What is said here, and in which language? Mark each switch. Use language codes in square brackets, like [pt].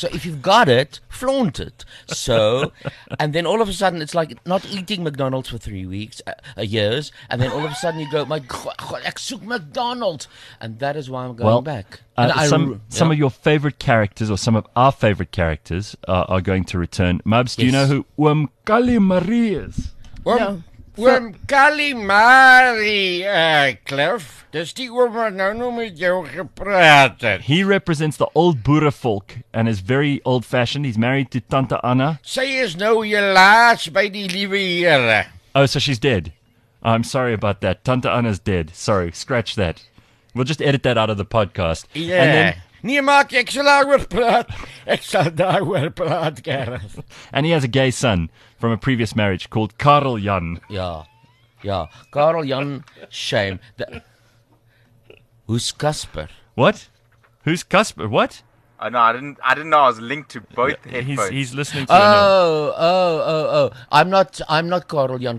[en] So if you've got it, flaunt it. So, and then all of a sudden, it's like not eating McDonald's for 3 weeks, years, and then all of a sudden you go, my God, [af] ek soek [en] McDonald's. And that is why I'm going back. Some of your favorite characters, or some of our favorite characters, are going to return. Mubs, do you know who Oom Kali Marie is? Oom Kali Marie, Cliff. [af] Dis die oom wat nou met jou gepraat het. [en] He represents the old Boere folk and is very old-fashioned. He's married to Tante Anna. [af] Sy is nou helaas by die liewe Here. [en] Oh, so she's dead. I'm sorry about that. Tante Anna's dead. Sorry, scratch that. We'll just edit that out of the podcast. [af] Yeah. Nee, maak, ek sal daarover praat. Ek sal daarover praat, Gareth. [en] And he has a gay son from a previous marriage called Karel Jan. Yeah. Karel Jan, shame. Who's Casper? What? Who's Casper? What? Oh, no, I didn't know I was linked to both headphones. He's listening to Oh. I'm not Karel Jan.